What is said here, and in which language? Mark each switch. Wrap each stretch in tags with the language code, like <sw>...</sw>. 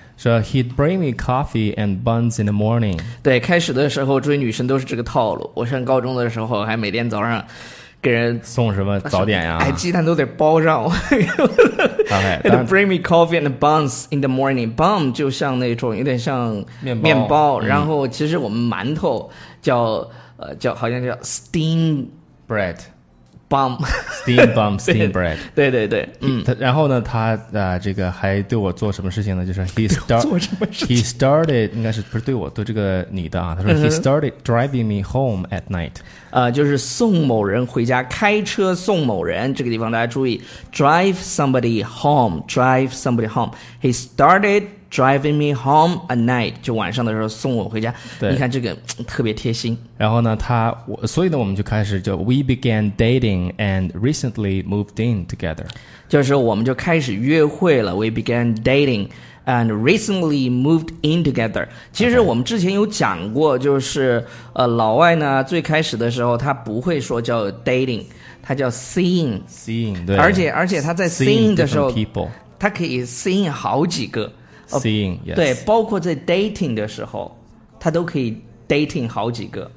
<en>So he'd bring me coffee and buns in the morning.</en> <zh>对，开始的时候追女生都是这个套路。我上高中的时候还每天早上给人送什么早点呀？哎，鸡蛋都得包上。</zh> <en>okay, he'd bring me coffee and buns in the morning.</en> <zh>Bun 就像那种有点像面包、然后其实我们馒头叫叫好像叫 steam</zh> <en>bread。 bum steam bum steam bread</en> <zh>对，然后呢他这个还对我做什么事情呢就是 he started 应该是不是对我对这个女的啊他说、he started driving me home at night 就是送某人回家开车送某人这个地方大家注意 drive somebody home he started driving me home at night，就晚上的时候送我回家。对，你看这个特别贴心。然后呢，他，所以呢，我们就开始就 we began dating and recently moved in together，就是我们就开始约会了。</zh> <en>We began dating and recently moved in together。</en> <zh>其实我们之前有讲过，就是、</zh> <en>okay.</en> <zh>老外呢，最开始的时候他不会说叫 dating。他叫 seeing，对，而且他在 seeing 的时候</zh> <en>seeing people，</en> <zh>他可以 seeing 好几个</zh> <en>seeing、yes.</en> <zh>对，包括在 dating 的时候他都可以 dating 好几个。</zh>